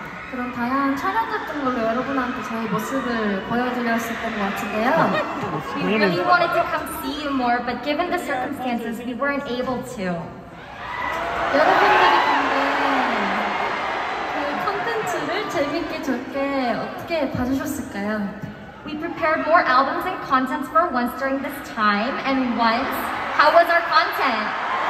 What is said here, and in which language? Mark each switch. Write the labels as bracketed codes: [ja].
[ko] 그런 다양한 촬영 같은 걸로 여러분한테 저희 모습을 보여드렸었던 것 같은데요. [en] We really wanted to come see you more, but given the circumstances, we weren't able to. [ko] 여러분들이 근데 그 콘텐츠를 재밌게 좋게 어떻게 봐주셨을까요? [en] We prepared more albums and contents for once during this time, and once, how was our content?